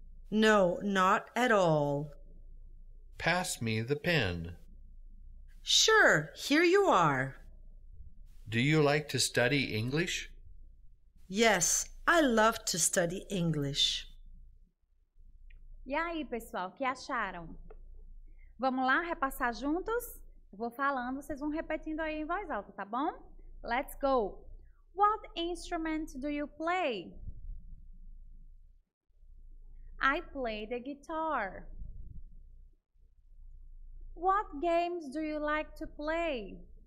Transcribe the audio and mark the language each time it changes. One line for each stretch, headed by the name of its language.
English: No, not at all. Pass me the pen. Sure, here you are. Do you like to study English? Yes, I love to study English.
Portuguese: E aí, pessoal, o que acharam? Vamos lá repassar juntos? Vou falando, vocês vão repetindo aí em voz alta, tá bom?
English: Let's go. What instrument do you play? I play the guitar. What games do you like to play?